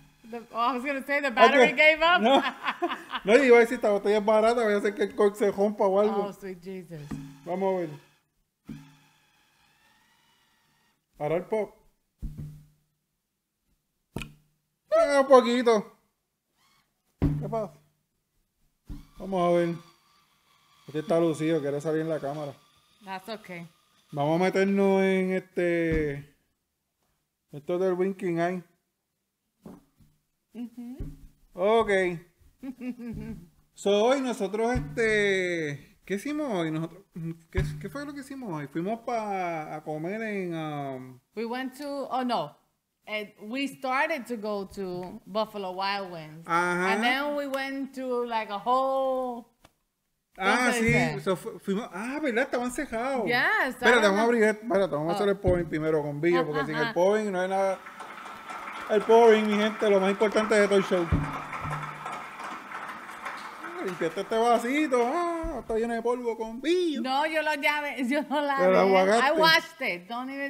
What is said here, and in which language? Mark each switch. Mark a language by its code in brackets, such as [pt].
[en] I was going to say the battery gave up. [es] No, yo iba a decir, esta botella es barata. Voy a hacer que el cork se rompa o algo. [en] Oh, sweet Jesus. [es] Vamos a ver. Para el pop. Un poquito. ¿Qué pasa? Vamos a ver. Este está lucido, quiere salir en la cámara. [en] That's okay. [es] Vamos a meternos en este. Esto es del Winking Eye. Uh-huh. Ok. So, hoy nosotros ¿Qué hicimos hoy nosotros? ¿Qué fue lo que hicimos hoy? Fuimos para comer en... [en] We started to go to Buffalo Wild Wings. Ajá. And then we went to like a whole... [es] Ah, sí. So, fuimos... Ah, ¿verdad? Estaban cejados. [en] Yes. [es] Espérate, vamos a abrir... Espérate, vamos a hacer el pouring primero con Billo, porque sin el pouring no hay nada... El pouring, mi gente, lo más importante de todo el show. Limpiaste este vasito, está lleno de polvo con vino. No, yo lo llave, yo no lavé. [en] I washed it. Don't even